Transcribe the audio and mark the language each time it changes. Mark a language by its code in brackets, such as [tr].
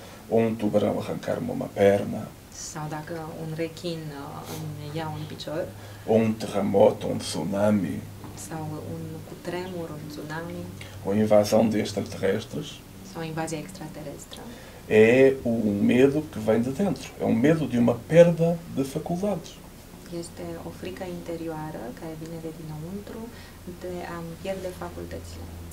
[pt] Ou um tubarão arrancar-me uma perna. [ro] Sau dacă un rechin îmi ia un picior. [pt] Ou um terremoto, um tsunami. [ro] Sau un cutremur, un tsunami. [pt] Ou invasão de extraterrestres. [ro] Sau invasia extraterrestre. [pt] É o medo que vem de dentro. É um medo de uma perda de faculdades. [ro] Este o frică interioară care vine de dinăuntru de a-mi pierde facultățile.